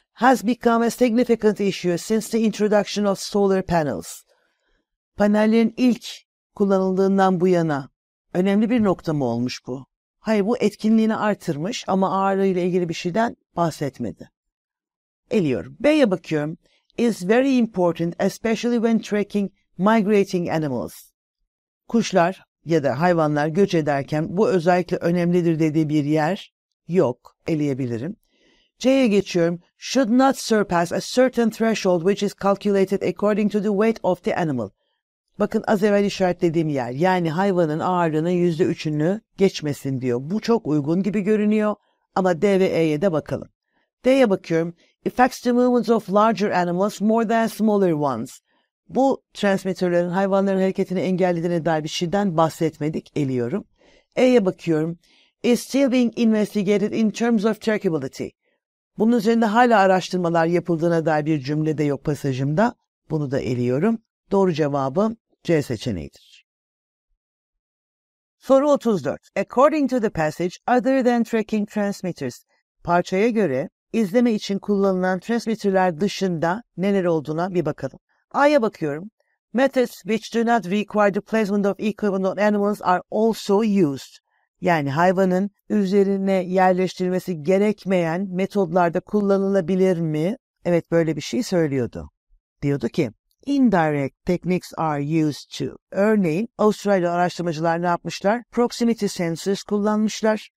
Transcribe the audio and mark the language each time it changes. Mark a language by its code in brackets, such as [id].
[en] Has become a significant issue since the introduction of solar panels. [tr] Panellerin ilk kullanıldığından bu yana önemli bir nokta mı olmuş bu? Hayır, bu etkinliğini artırmış ama ağırlığıyla ilgili bir şeyden bahsetmedi. Eliyorum. B'ye bakıyorum. [en] Is very important especially when tracking migrating animals. [tr] Kuşlar ya da hayvanlar göç ederken bu özellikle önemlidir dediği bir yer yok. Eleyebilirim. C'ye geçiyorum. [en] Should not surpass a certain threshold which is calculated according to the weight of the animal. [tr] Bakın az evvel işaretlediğim yer, yani hayvanın ağırlığının %3'ünü geçmesin diyor. Bu çok uygun gibi görünüyor ama D ve E'ye de bakalım. D'ye bakıyorum. [en] Affects the movements of larger animals more than smaller ones. [tr] Bu transmitterların hayvanların hareketini engellediğine dair bir şeyden bahsetmedik, eliyorum. E'ye bakıyorum. [en] Is still being investigated in terms of trackability. [tr] Bunun üzerinde hala araştırmalar yapıldığına dair bir cümle de yok pasajımda. Bunu da eliyorum. Doğru cevabım C seçeneğidir. Soru 34. [en] According to the passage, other than tracking transmitters, [tr] parçaya göre izleme için kullanılan transmitterler dışında neler olduğuna bir bakalım. A'ya bakıyorum. [en] Methods which do not require the placement of equipment on animals are also used. [tr] Yani hayvanın üzerine yerleştirilmesi gerekmeyen metodlarda kullanılabilir mi? Evet, böyle bir şey söylüyordu. Diyordu ki, [en] indirect techniques are used to. [tr] Örneğin, Avustralya araştırmacılar ne yapmışlar? Proximity sensors kullanmışlar.